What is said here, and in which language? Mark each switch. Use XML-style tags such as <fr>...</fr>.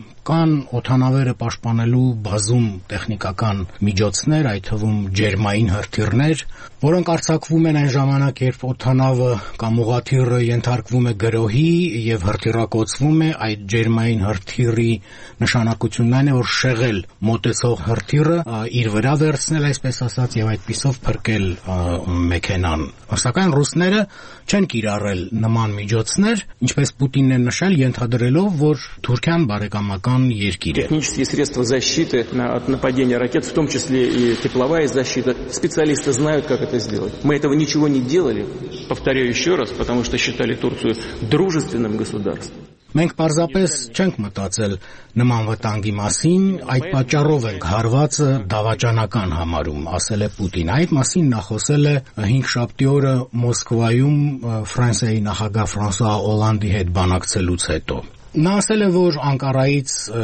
<hy>կան օդանավերը պաշտպանելու բազում տեխնիկական միջոցներ, այդ թվում ջերմային հրթիռներ, որոնք արձակվում են այն ժամանակ, երբ օդանավը կամ ուղաթիռը ենթարկվում է գրոհի և հրթիռակոծվում է։ Այդ ջերմային հրթիռի նշանակությունն այն է, որ շեղել մոտեցող հրթիռը, իր վրա վերցնել, այսպես ասած, և այդպիսով փրկել մեքենան։ Սակայն ռուսները չեն կիրառել նման միջոցներ, ինչպես Պուտինն է նշել, ենթադրելով, որ Թուրքիան բարեկամական երկիր է։</hy> <ru>Технические средства защиты от нападения ракет, в том числе и тепловая защита, специалисты знают, как это сделать. Мы этого ничего не делали, повторяю еще раз, потому что считали Турцию дружественным государством.</ru> <hy>Մենք պարզապես չենք մտածել նման վտանգի մասին, այդ պատճառով ենք հարվածը դավաճանական համարում, ասել է Պուտին։ Այդ մասին նախոսել է 5-7 օրը Մոսկվայում Ֆրանսիայի նախագահ Ֆրանսուա Օլանդի հետ բանակցելուց հետո։ Նա ասել է, որ Անկարայից</hy>